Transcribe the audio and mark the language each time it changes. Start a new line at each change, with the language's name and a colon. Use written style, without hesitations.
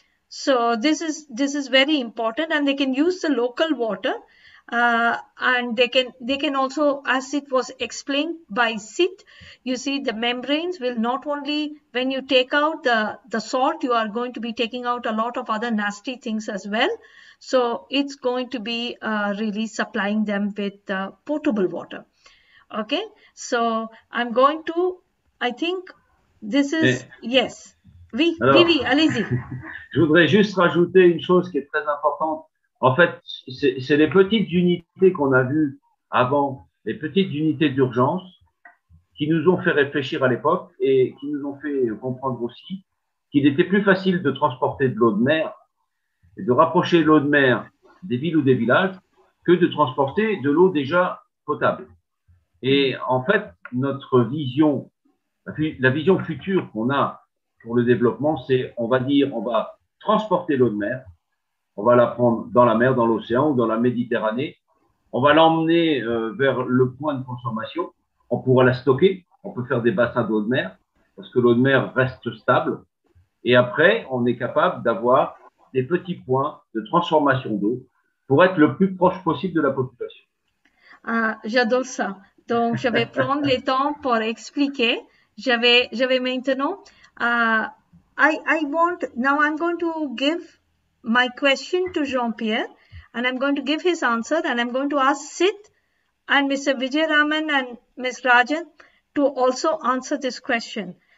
English: So this is very important, and they can use the local water, and they can also, as it was explained by Sid, you see the membranes will not only, when you take out the salt, you are going to be taking out a lot of other nasty things as well. So it's going to be really supplying them with potable water. Okay, so I'm going to, I think this is, Et yes, alors,
French: oui, allez-y. je voudrais juste rajouter une chose qui est très importante. En fait, c'est les petites unités qu'on a vues avant, les petites unités d'urgence, qui nous ont fait réfléchir à l'époque et qui nous ont fait comprendre aussi qu'il était plus facile de transporter de l'eau de mer et de rapprocher l'eau de mer des villes ou des villages que de transporter de l'eau déjà potable. Et en fait, notre vision. La vision future qu'on a pour le développement, c'est, on va dire, on va transporter l'eau de mer, on va la prendre dans la mer, dans l'océan ou dans la Méditerranée, on va l'emmener vers le point de consommation, on pourra la stocker, on peut faire des bassins d'eau de mer, parce que l'eau de mer reste stable, et après, on est capable d'avoir des petits points de transformation d'eau pour être le plus proche possible de la population. Ah, j'adore ça. Donc, je vais prendre le temps pour expliquer. Je vais maintenant.
English: I want, now I'm going to give my question to Jean-Pierre and I'm going to give his answer and I'm going to ask Sid and Mr. Vijayaraman and Ms. Rajan to also answer this question.